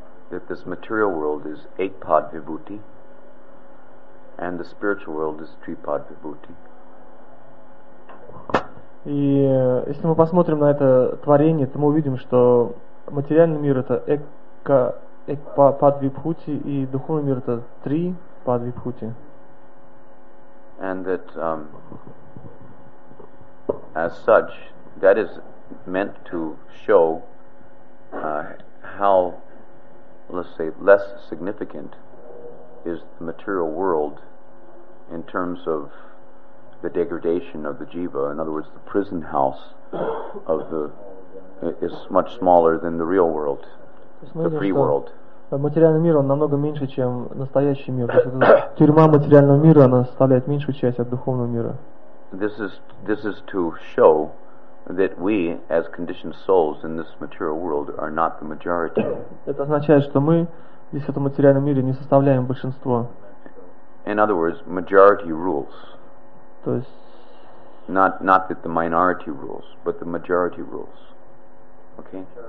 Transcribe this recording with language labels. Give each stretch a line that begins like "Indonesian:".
English: that this material world is ekpad vibhuti and the spiritual world is tripad vibhuti.
Russian: И если мы посмотрим на это творение, то мы увидим, что материальный мир это ekpad vibhuti и духовный мир это tripad vibhuti.
English: And that as such, that is meant to show how, let's say, less significant is the material world in terms of the degradation of the jiva. In other words, the prison house of the is much smaller than the real world, the free world.
Russian: Материальный мир он намного меньше, чем настоящий мир. Тюрьма материального мира она составляет меньшую часть от духовного мира.
English: This is to show that we, as conditioned souls in this material world, are not the majority.
Russian: Это означает, что мы здесь в этом материальном мире не составляем большинство.
English: In other words, majority rules.
Russian: То есть.
English: Not that the minority rules, but the majority rules. Okay.